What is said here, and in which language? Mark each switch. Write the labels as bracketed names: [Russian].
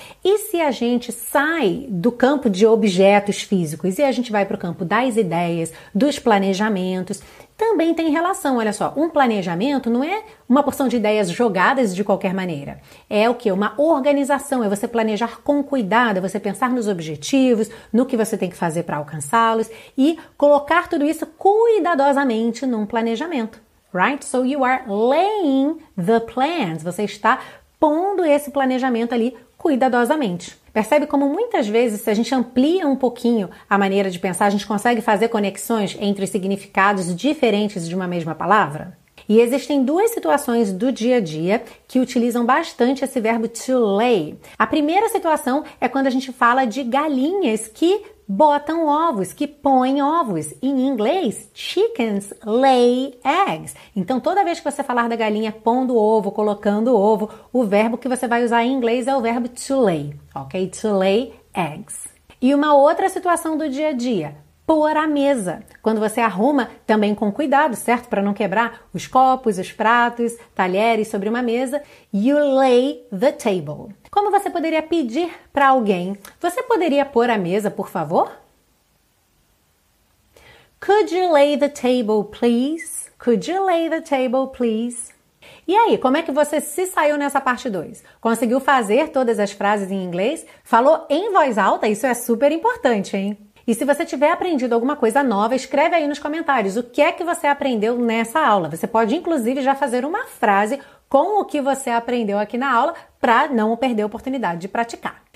[Portuguese] E se a gente sai do campo de objetos físicos e a gente vai para o campo das ideias, dos planejamentos, também tem relação, olha só, um planejamento não é uma porção de ideias jogadas de qualquer maneira, é o quê? Uma organização, é você planejar com cuidado, é você pensar nos objetivos, no que você tem que fazer para alcançá-los e colocar tudo isso cuidadosamente num planejamento. [English] Right? So you are laying the plans. [Portuguese] Você está pondo esse planejamento ali cuidadosamente. Percebe como muitas vezes, se a gente amplia um pouquinho a maneira de pensar, a gente consegue fazer conexões entre significados diferentes de uma mesma palavra? E existem duas situações do dia a dia que utilizam bastante esse verbo to lay. A primeira situação é quando a gente fala de galinhas que botam ovos, que põem ovos. Em inglês, [English] chickens lay eggs. [Portuguese] Então, toda vez que você falar da galinha pondo ovo, colocando ovo, o verbo que você vai usar em inglês é o verbo to lay, ok? [English] To lay eggs. [Portuguese] E uma outra situação do dia a dia, pôr à mesa. Quando você arruma, também com cuidado, certo? Para não quebrar os copos, os pratos, talheres sobre uma mesa. [English] You lay the table. [Portuguese] Como você poderia pedir para alguém? Você poderia pôr a mesa, por favor? [English] Could you lay the table, please? Could you lay the table, please? [Portuguese] E aí, como é que você se saiu nessa parte 2? Conseguiu fazer todas as frases em inglês? Falou em voz alta? Isso é super importante, hein? E se você tiver aprendido alguma coisa nova, escreve aí nos comentários o que é que você aprendeu nessa aula. Você pode, inclusive, já fazer uma frase com o que você aprendeu aqui na aula para não perder a oportunidade de praticar.